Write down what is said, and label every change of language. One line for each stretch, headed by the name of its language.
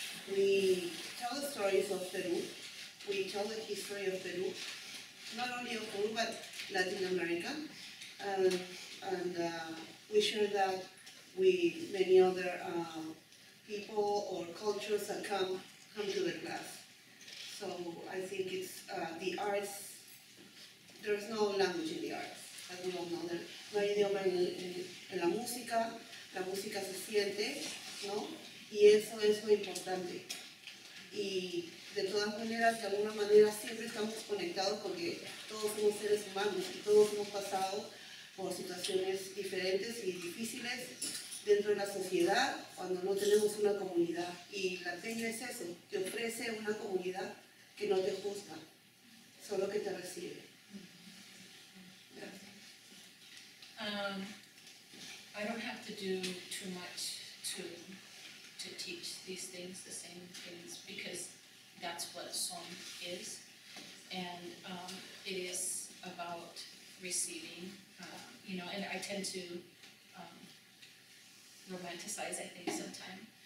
English: We tell the stories of Peru, we tell the history of Peru, not only of Peru, but Latin America, and we share that with many other people or cultures that come to the class. So I think it's the arts, there's no language in the arts, as we all know.
Spanish: No hay idioma en la música se siente, ¿no? Y eso es muy importante. Y de todas maneras, de alguna manera, siempre estamos conectados porque todos somos seres humanos y todos hemos pasado por situaciones diferentes y difíciles dentro de la sociedad cuando no tenemos una comunidad. Y la peña es eso, te ofrece una comunidad que no te juzga, solo que te recibe.
English: I don't have to do too much to teach these things, the same things, because that's what a song is. And it is about receiving, and I tend to romanticize, I think, sometimes.